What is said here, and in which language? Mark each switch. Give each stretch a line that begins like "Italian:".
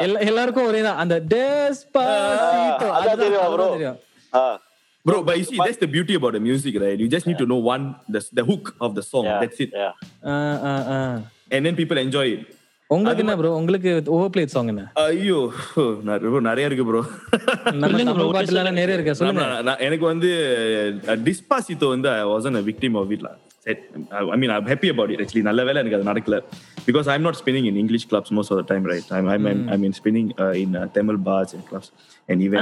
Tamil: எல்லாருக்கும் ஒரே தான் அந்த despacito. அதான் தெரியும் bro.
English: Bro, but you see, that's the beauty about the music, right? You just need to know one the hook of the song. Yeah. That's it. Yeah. And then people enjoy it.
Tamil: உங்களுக்கு என்ன bro, உங்களுக்கு ஓவர்பிளேட் song என்ன? ஐயோ bro, நிறைய இருக்கு bro. நிறைய இருக்கு சொல்லுங்க. எனக்கு வந்து
English: Despacito வந்து I was a victim of it லா. I mean I'm happy about it actually.
Tamil: Nalla vela enak adu nadakkala
English: because I'm not spinning in English clubs most of the time, right? I mean spinning in Tamil bars and clubs and events.